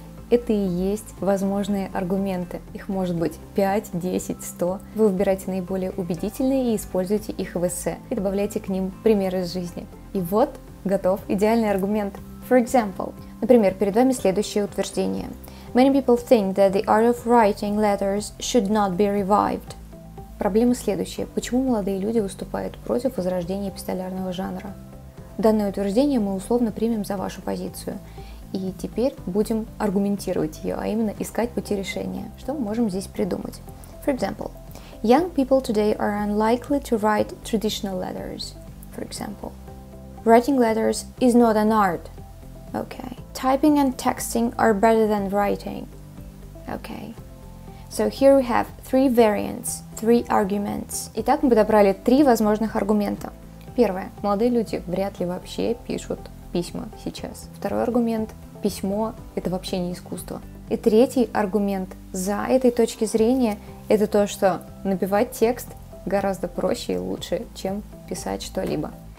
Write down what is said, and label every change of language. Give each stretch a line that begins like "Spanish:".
Russian: Это и есть возможные аргументы. Их может быть 5, 10, 100. Вы выбираете наиболее убедительные и используете их в эссе. И добавляете к ним примеры из жизни. И вот готов идеальный аргумент.
English: For example.
Russian: Например, перед вами следующее утверждение.
English: Many people think that the art of writing letters should not be revived.
Russian: Проблема следующая. Почему молодые люди выступают против возрождения эпистолярного жанра? Данное утверждение мы условно примем за вашу позицию. И теперь будем аргументировать ее, а именно искать пути решения. Что мы можем здесь придумать?
English: For example, young people today are unlikely to write traditional letters. For example, writing letters is not an art. Okay. Typing and texting are better than writing. Okay. So here we have three variants, three arguments.
Russian: Итак, мы подобрали три возможных аргумента. Первое. Молодые люди вряд ли вообще пишут письма сейчас. Второй аргумент. Письмо – это вообще не искусство. И третий аргумент за этой точки зрения – это то, что набивать текст гораздо проще и лучше, чем писать что-либо.